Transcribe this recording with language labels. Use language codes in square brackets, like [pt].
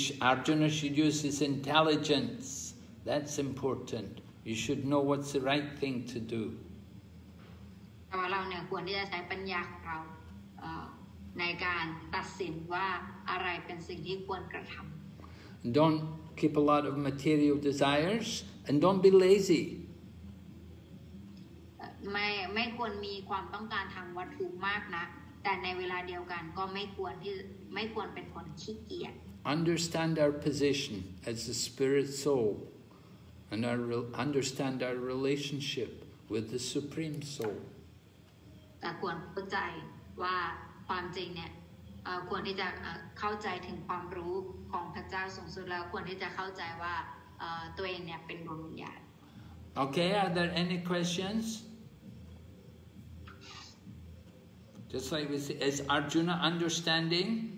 [en] Arjuna should use his intelligence. That's important. You should know what's the right thing to do. [th] แต่ว่าเราเนี่ยควรที่จะใช้ปัญญาของเราในการตัดสินว่าอะไรเป็นสิ่งที่ควรกระทำ [en] Don't keep a lot of material desires and don't be lazy. [th] ไม่ควรมีความต้องการทางวัตถุมากนะแต่ในเวลาเดียวกันก็ไม่ควรเป็นคนขี้เกียจ [en] Understand our position as a spirit soul and understand our relationship with the supreme soul. [th] แต่ควรเข้าใจว่าความจริงเนี่ยควรที่จะเข้าใจถึงความรู้ของพระเจ้าสูงสุดแล้วควรที่จะเข้าใจว่าตัวเองเนี่ยเป็นดวงวิญญาณ [en] Okay, are there any questions? Just like we see, is Arjuna understanding?